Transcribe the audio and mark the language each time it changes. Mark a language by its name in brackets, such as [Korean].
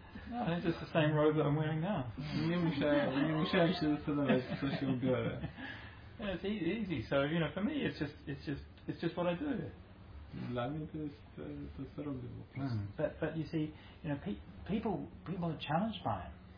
[English] No, it's just the same robe that I'm wearing now. [Polish] Nie musiałem się zastanawiać, co się ubiorę. [English] Yeah, it's easy. So, you know, for me, it's just what I do. [Polish] Dla mnie to jest to, co robię. [English] But you see, you know, people are challenged by it.